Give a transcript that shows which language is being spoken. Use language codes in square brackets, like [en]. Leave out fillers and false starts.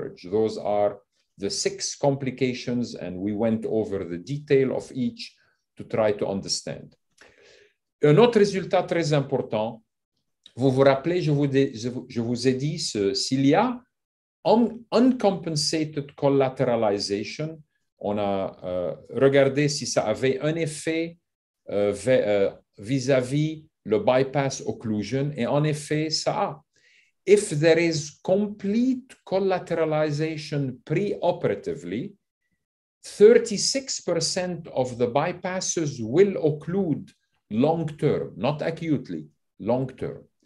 [en] Those are the six complications, and we went over the detail of each to try to understand. [fr] Un autre résultat très important, vous vous rappelez, je vous ai dit, s'il y a [en] uncompensated collateralization, [fr] on a regardé si ça avait un effet vis-à-vis le bypass occlusion, et en effet, ça a. [en] If there is complete collateralization preoperatively, 36% of the bypasses will occlude long-term, not acutely, long-term.